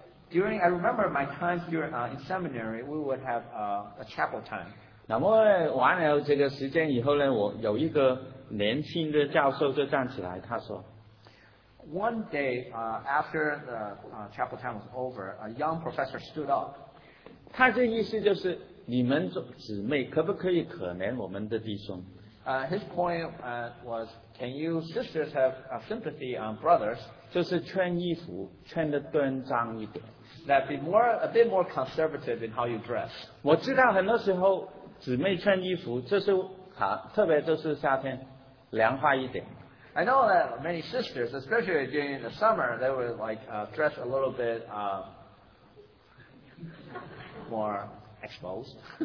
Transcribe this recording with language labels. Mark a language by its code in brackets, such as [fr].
[en] During I remember my time here in seminary, we would have a chapel time. [zh] 那么完了这个时间以后呢，我有一个年轻的教授就站起来，他说。 [en] One day, after the chapel time was over, a young professor stood up. [zh] 他的意思就是，你们姊妹可不可以可怜我们的弟兄？ [en] His point was, can you sisters have sympathy on brothers? [zh] 就是穿衣服穿得端庄一点。 [en] That be more a bit more conservative in how you dress. [zh] 我知道很多时候姊妹穿衣服，这是好，特别就是夏天，凉快一点。 [en] I know that many sisters, especially during the summer, they would like dress a little bit more exposed.